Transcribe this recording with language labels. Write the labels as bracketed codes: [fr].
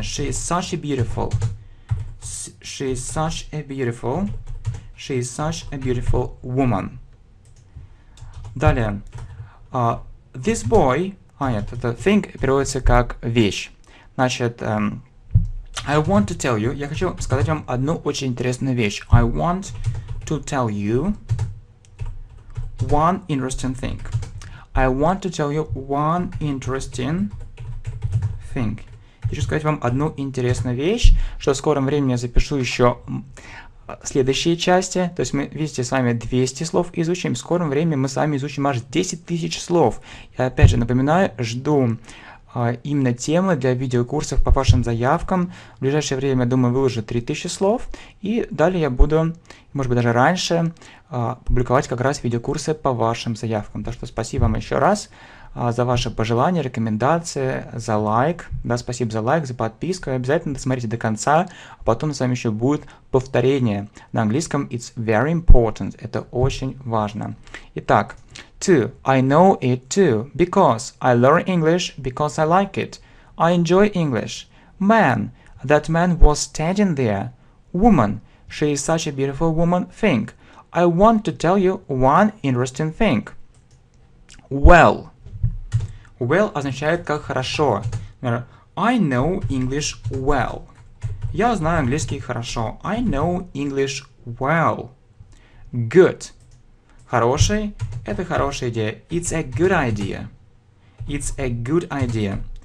[en] She is such a beautiful. She is such a beautiful. She is such a beautiful woman. [ru] Далее. [en] This boy... [ru] А, нет, это thing переводится как вещь. Значит, [en] I want to tell you... [ru] Я хочу сказать вам одну очень интересную вещь. [en] I want to tell you one interesting thing. I want to tell you one interesting thing. [ru] Хочу сказать вам одну интересную вещь, что в скором времени я запишу еще следующие части. То есть мы, видите, с вами 200 слов изучим. В скором времени мы с вами изучим аж 10 тысяч слов. Я опять же напоминаю, жду именно темы для видеокурсов по вашим заявкам. В ближайшее время, я думаю, выложу 3000 слов. И далее я буду, может быть, даже раньше, публиковать как раз видеокурсы по вашим заявкам. Так что спасибо вам еще раз за ваши пожелания, рекомендации, за лайк. Да, спасибо за лайк, за подписку. И обязательно досмотрите до конца, а потом с вами еще будет повторение. На английском [en] it's very important. [ru] Это очень важно. Итак, [en] two. I know it too. Because I learn English because I like it. I enjoy English. Man. That man was standing there. Woman. She is such a beautiful woman. Think. I want to tell you one interesting thing. Well. [ru] Well означает как хорошо. Например, [en] I know English well. [ru] Я знаю английский хорошо. [en] I know English well. Good. [ru] Хороший. Это хорошая идея. [en] It's a good idea. It's a good idea.